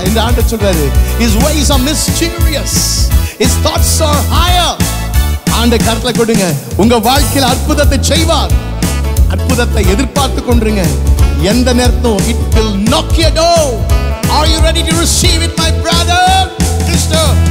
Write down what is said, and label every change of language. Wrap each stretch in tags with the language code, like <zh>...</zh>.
<ta>இந்த ஆண்டவர் சொல்றாரு,</ta> <en>His ways are mysterious, His thoughts are higher.</en> <ta>ஆண்ட கரத்துல கொடுங்க, உங்க வாழ்க்கையில அற்புதத்தை செய்வார். அற்புதத்தை எதிர்பார்த்து கொண்டிருங்க. எந்த நேரத்தும்</ta> <en>It will knock your door. Are you ready to receive it, my brother, sister?</en>